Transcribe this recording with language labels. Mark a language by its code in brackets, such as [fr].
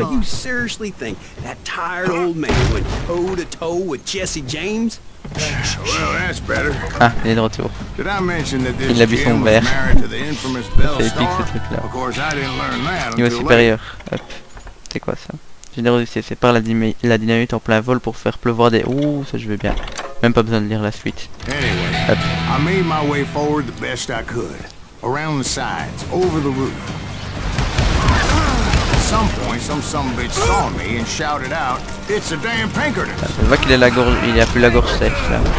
[en] You seriously think that tired old man went toe to toe with Jesse James? Well, that's better. [fr] Ah, il est de retour. [en] Did I mention that this kid was married to the infamous Bell star? [fr] C'est épique ce truc là. [en] Of course, I didn't learn that until [fr] niveau supérieur. Hop. C'est quoi ça? Générosité, c'est par la dynamite en plein vol pour faire pleuvoir des... Ouh, ça je veux bien. Même pas besoin de lire la suite. [en] Anyway, hop. I made my way forward the best I could. Around the sides, over the roof. At some point, some sumbitch saw me and shouted out, it's a damn Pinkerton. [fr] Ah, je vois qu'il est la gorge, il a plus la gorge sèche là.